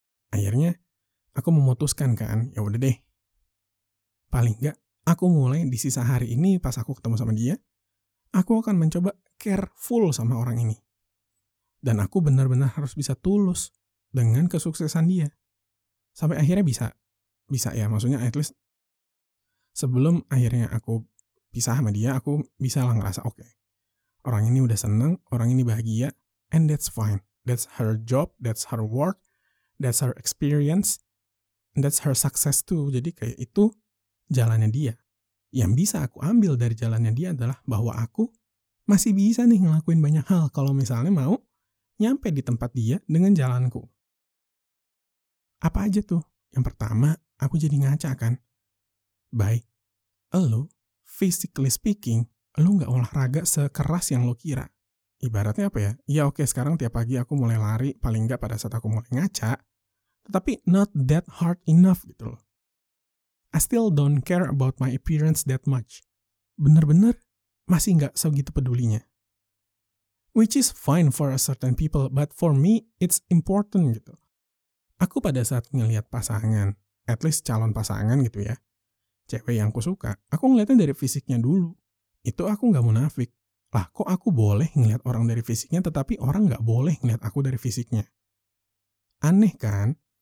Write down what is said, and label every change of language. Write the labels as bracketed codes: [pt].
[id] Akhirnya, aku memutuskan kan, ya udah deh. Paling nggak, aku mulai di sisa hari ini pas aku ketemu sama dia, aku akan mencoba care full sama orang ini. Dan aku benar-benar harus bisa tulus dengan kesuksesan dia. Sampai akhirnya bisa ya, maksudnya [en] at least [id] sebelum akhirnya aku pisah sama dia, aku bisa lah ngerasa oke. Okay. Orang ini udah seneng, orang ini bahagia, [en] and that's fine. That's her job, that's her work, that's her experience, and that's her success too. [id] Jadi kayak itu jalannya dia. Yang bisa aku ambil dari jalannya dia adalah bahwa aku masih bisa nih ngelakuin banyak hal kalau misalnya mau nyampe di tempat dia dengan jalanku. Apa aja tuh? Yang pertama, aku jadi ngaca kan. Baik, elu, [en] physically speaking, [id] lu gak olahraga sekeras yang lu kira. Ibaratnya apa ya? Ya oke, sekarang tiap pagi aku mulai lari, paling gak pada saat aku mulai ngaca, tetapi [en] not that hard enough [id] gitu loh. [en] I still don't care about my appearance that much. [id] Bener-bener masih gak segitu pedulinya. [en] Which is fine for a certain people, but for me, it's important gitu. [id] Aku pada saat ngelihat pasangan, [en] at least [id] calon pasangan gitu ya, cewek yang aku suka, aku ngeliatnya dari fisiknya dulu. Itu aku gak munafik. Lah kok aku boleh ngeliat orang dari fisiknya, tetapi orang gak boleh ngeliat aku dari fisiknya. Aneh kan?